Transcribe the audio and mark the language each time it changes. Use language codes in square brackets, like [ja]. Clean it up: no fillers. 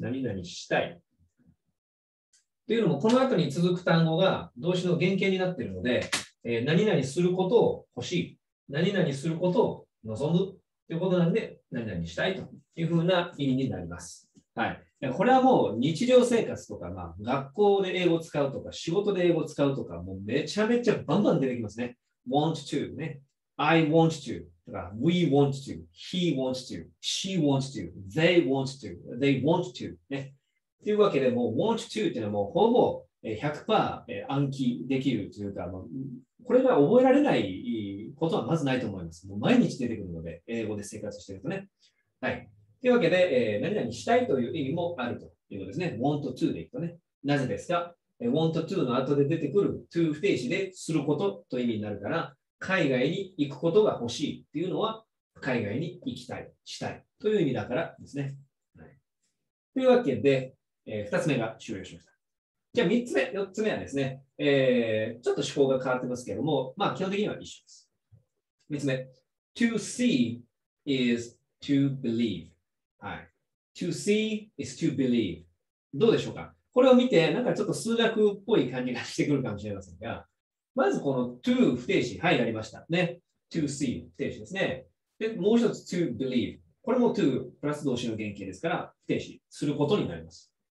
[ja] 何々したい。というのも、この後に続く単語が動詞の原型になっているので、何々することを欲しい。何々することを望む。ということなんで、何々したいというふうな意味になります。はい。これはもう日常生活とか、まあ、学校で英語を使うとか、仕事で英語を使うとか、もうめちゃめちゃバンバン出てきますね。 [en] want to ね。 I want to とか、we want to, he wants to, she wants to, they want to, they want to ね。 [ja] というわけで、もう want to というのはもうほぼ 100% 暗記できるというか、これが覚えられないことはまずないと思います。もう毎日出てくるので、英語で生活してるとね。はい。というわけで、何々したいという意味もあるということですね。want to でいくとね。なぜですか？ want to の後で出てくる to 不定詞ですることという意味になるから、海外に行くことが欲しいっていうのは、海外に行きたい、したいという意味だからですね。はい、というわけで、2つ目が終了しました。じゃあ3つ目、4つ目はですね、ちょっと思考が変わってますけれども、まあ基本的には一緒です。 [en] 3つ目、to see is to believe。はい。to see is to believe。 [ja] どうでしょうか？これを見て、なんかちょっと数学っぽい感じがしてくるかもしれませんが、まずこの to 不定詞、はい、やりました。ね。 to see 不定詞ですね。で、もう一つ to believe。これも to プラス動詞の原型ですから、不定詞することになります。